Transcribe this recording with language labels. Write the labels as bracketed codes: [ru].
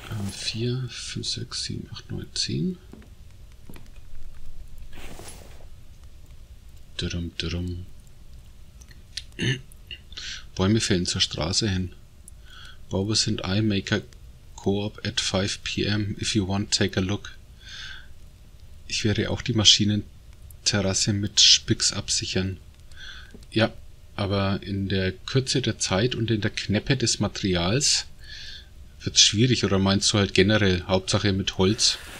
[de] Vier, fünf, sechs, sieben, acht, neun, zehn. Drum, drum. Bäume fällen zur Straße hin. [en] Bobus and I make a co-op at 5 p.m. If you want, take a look. [de] Ich werde auch die Maschinenterrasse mit Spix absichern. Ja, aber in der Kürze der Zeit und in der Knappe des Materials wird's schwierig. Oder meinst du halt generell, Hauptsache mit Holz?